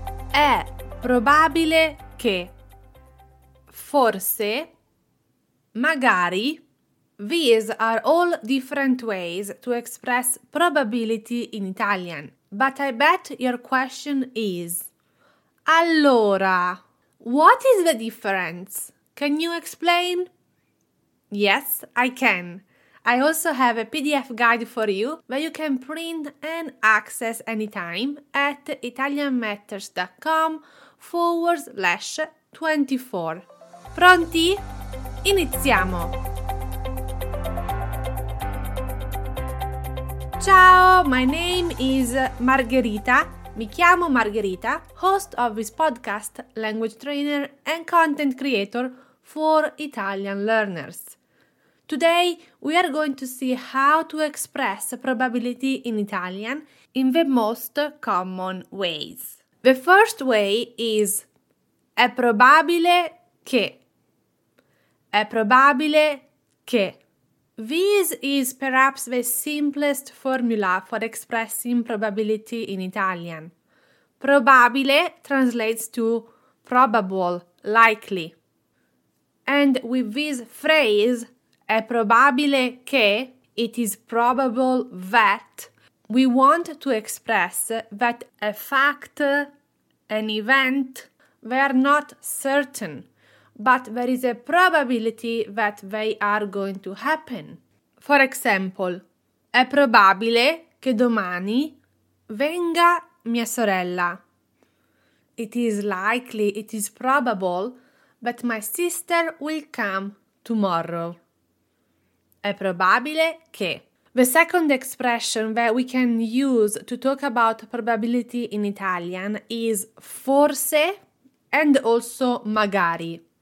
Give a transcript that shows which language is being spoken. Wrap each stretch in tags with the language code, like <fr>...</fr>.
<it>È probabile che, forse, magari.</it> <en>These are all different ways to express probability in Italian. But I bet your question is. Allora, what is the difference? Can you explain? Yes, I can. I also have a PDF guide for you that you can print and access anytime at italianmatters.com/24. Pronti?</en> <it>Iniziamo!</it> <en>Ciao, my name is Margherita.</en> <it>Mi chiamo Margherita,</it> <en>host of this podcast, language trainer and content creator for Italian learners. Today we are going to see how to express probability in Italian in the most common ways. The first way is</en> <it>è probabile che. È probabile che.</it> <en>This is perhaps the simplest formula for expressing probability in Italian. Probabile translates to probable, likely. And with this phrase,</en> <it>è probabile che,</it> <en>it is probable that, we want to express that a fact, an event, they are not certain, but there is a probability that they are going to happen. For example,</en> <it>è probabile che domani venga mia sorella.</it> <en>It is likely, it is probable that my sister will come tomorrow.</en> <it>È probabile che.</it> <en>The second expression that we can use to talk about probability in Italian is forse and also magari.</en>